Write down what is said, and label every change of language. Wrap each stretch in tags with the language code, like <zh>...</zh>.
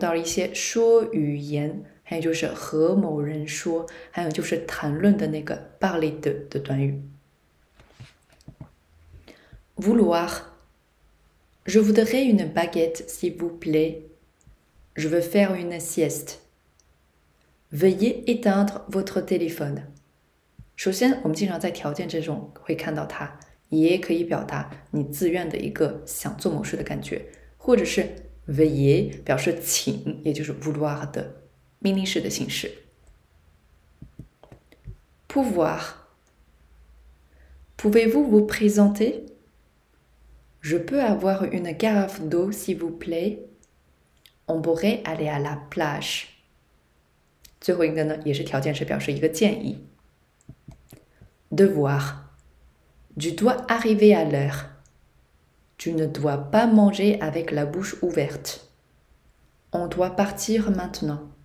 <zh>这里面主要是用到了一些说语言, 还有就是和某人说, 还有就是谈论的那个 parler de 短语。</zh> <fr>Vouloir. Je voudrais une baguette, s'il vous plaît. Je veux faire une sieste. Veuillez éteindre votre téléphone.</fr> <zh>首先,我们经常在条件之中会看到它,也可以表达你自愿的一个想做某事的感觉,或者是 veuillez表示请,也就是 vouloir 的命令式的形式。</zh> <fr>Pouvoir. Pouvez-vous vous présenter? Je peux avoir une carafe d'eau, s'il vous plaît. On pourrait aller à la plage.</fr> <zh>最后一个呢，也是条件式，表示一个建议。</zh> <fr>Devoir. Tu dois arriver à l'heure. Tu ne dois pas manger avec la bouche ouverte. On doit partir maintenant.</fr>